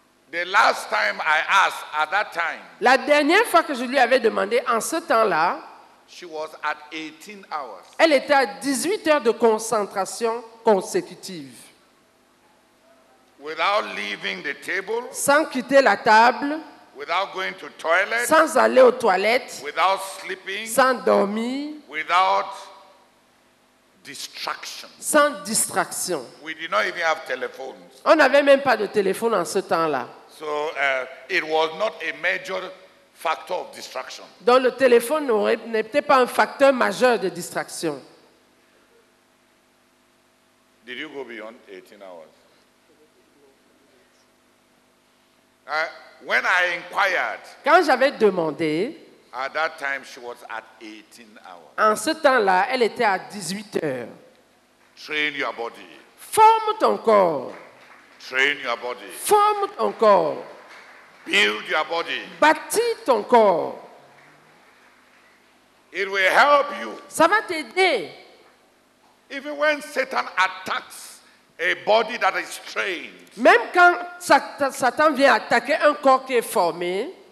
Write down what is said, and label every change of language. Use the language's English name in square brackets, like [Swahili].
[English] The last time I asked at that time, [French] la dernière fois que je lui avais demandé en ce temps-là, [English] she was at 18 hours. [French] Elle était à 18 heures de concentration consécutive. [English] Without leaving the table, [French] sans quitter la table, [English] without going to toilet, [French] sans aller aux toilettes, [English] without sleeping, [French] sans dormir, [English] without distraction. [French] Sans distraction. [English] We did not even have telephones. [French] On n'avait même pas de téléphone en ce temps-là. [English] So, it was not a major factor of distraction. [French] Donc le téléphone n'était pas un facteur majeur de distraction. [English] Did you go beyond 18 hours? When I inquired, [French] quand j'avais demandé, [English] at that time she was at 18 hours. [French] En ce temps-là, elle était à 18 heures. [English] Train your body. [French] Forme ton corps. [English] Train your body. [French] Forme ton corps. [English] Build your body. [French] Bâtis ton corps. [English] It will help you. [French] Ça va t'aider. [English] Even when Satan attacks a body that is trained. [French] Même quand Satan vient attaquer un corps qui est formé.